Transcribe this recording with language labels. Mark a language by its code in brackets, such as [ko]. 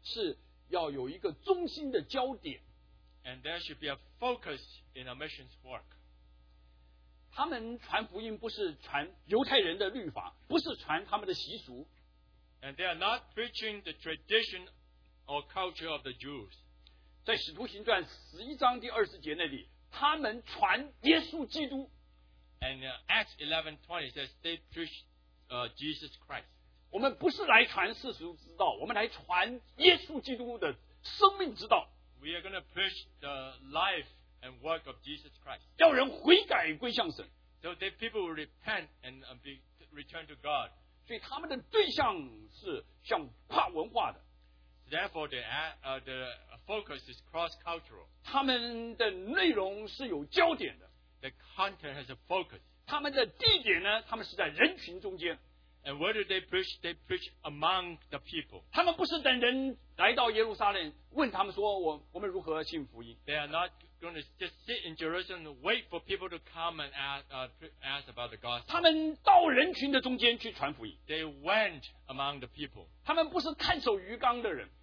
[zh] 他说传福音，第二个我们要传的福音是要有一个中心的焦点。 [en] And there should be a focus in our mission's work. [zh] 他们传福音不是传犹太人的律法，不是传他们的习俗。 [en] And they are not preaching the tradition or culture of the Jews. [zh] 在使徒行传11章第20节那里，他们传耶稣基督。 [en] And Acts 11:20 says they preach Jesus Christ. [zh] 我们不是来传世俗之道，我们来传耶稣基督的生命之道。 [en] We are going to preach the life and work of Jesus Christ. [zh] 叫人悔改归向神。 [en] So that people will repent and be return to God. [zh] 所以他们的对象是像跨文化的。 [en] Therefore, the focus is cross-cultural. [zh] 他们的内容是有焦点的。 [en] The content has a focus. [zh] 他们的地点呢，他们是在人群中间。 [en] And where do they preach? They preach among the people. [zh] 他们不是等人来到耶路撒冷问他们说我们如何信福音。 [en] They are not going to just sit in Jerusalem and wait for people to come and ask about the gospel. [zh] 他们到人群的中间去传福音。 [en] They went among the people. [zh] 他们不是看守鱼缸的人。